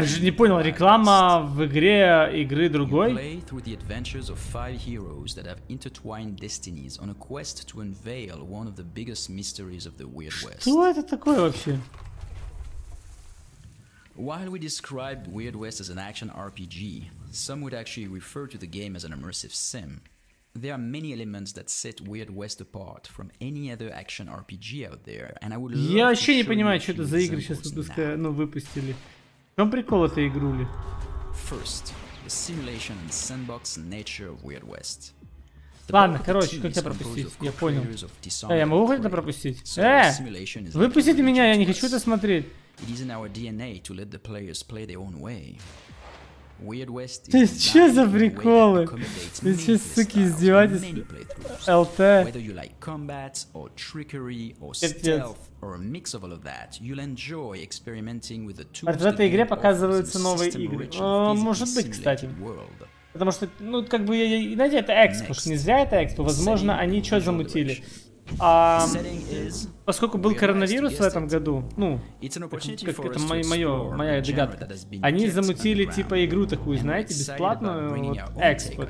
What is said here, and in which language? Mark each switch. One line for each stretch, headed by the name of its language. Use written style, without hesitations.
Russian: Я же не понял, реклама в игре игры другой?
English: You play through the adventures of five heroes that have intertwined destinies on a quest to unveil one of the biggest mysteries of the Weird West.
Russian: Что это такое вообще?
English: While we describe Weird West as an action RPG, some would actually refer to the game as an immersive sim. There are many elements that set Weird West apart from any other action RPG out there, and I would love
Russian: Я вообще не понимаю, что это за игры сейчас тут, ну, выпустили. В чем прикол этой игрули?
English: First, the simulation and sandbox nature of Weird West.
Russian: Ладно, короче, как тебя пропустить? Я понял. Я могу хоть это пропустить? Выпустите меня, я не хочу это смотреть.
English: It is in our DNA to let the players play their own way.
Russian: Weird West is что за приколы? Ты че, суки, издеваетесь? ЛТ.
English: Whether you like combat or trickery or stealth or a mix of all of that, you'll enjoy experimenting with the two.
Russian: В этой игре показываются новые игры. Может быть, кстати. Потому что, ну, как бы, знаете, это Expo. Не зря это Expo. Возможно, они что замутили. А поскольку был коронавирус в этом году, ну, как это моя догадка, они замутили типа игру такую, знаете, бесплатную, вот, Expo.